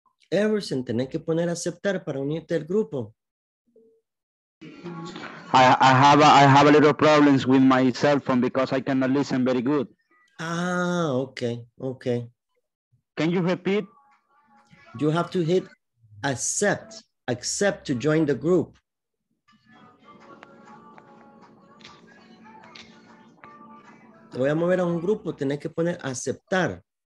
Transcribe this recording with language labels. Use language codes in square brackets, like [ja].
[es] Everson, tenés que poner aceptar para unirte al grupo. [en] I have a little problems with my cell phone because I cannot listen very good. Okay. Can you repeat? You have to hit accept to join the group. [es] Te voy a mover a un grupo, tenés que poner aceptar.